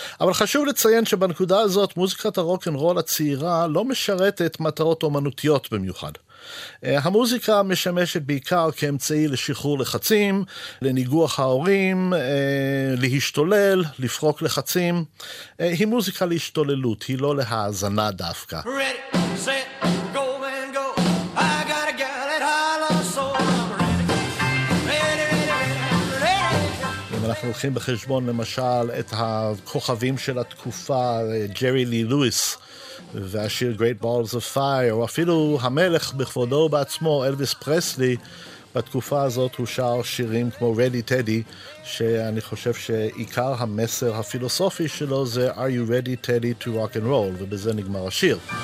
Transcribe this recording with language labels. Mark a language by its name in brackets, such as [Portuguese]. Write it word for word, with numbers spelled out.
[Hebrew] אבל חשוב לציין שבנקודה הזאת מוזיקת הרוק'נ'רול הצעירה לא משרתת מטרות אומנותיות במיוחד. המוזיקה משמשת בעיקר כאמצעי לשחרור לחצים, לניגוח ההורים, להשתולל, לפרוק לחצים. היא מוזיקה להשתוללות, היא לא להאזנה דווקא. [English] Ready, set, go and go. I got a gal that I love so I'm ready. Ready, ready, ready. [Hebrew] אם אנחנו לוקחים בחשבון למשל את הכוכבים של התקופה, ג'רי לי לואיס, והשיר Great Balls of Fire, או אפילו המלך בכבודו בעצמו, אלביס פרסלי, בתקופה הזאת הוא שר שירים כמו Ready Teddy, שאני חושב שעיקר המסר הפילוסופי שלו זה [English] Are you ready Teddy to rock and roll, [Hebrew] ובזה נגמר השיר.